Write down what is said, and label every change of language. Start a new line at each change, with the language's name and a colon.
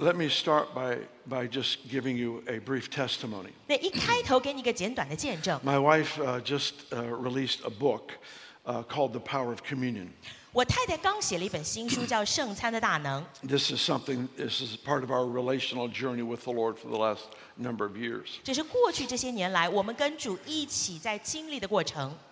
English: Let me start by just giving you a brief testimony.
Chinese: 那一开头给你一个简短的见证。
English: My wife released a book called The Power of Communion.
Chinese: 我太太刚写了一本新书叫《圣餐的大能》。
English: This is part of our relational journey with the Lord for the last number of years.
Chinese: 这是过去这些年来我们跟主一起在经历的过程。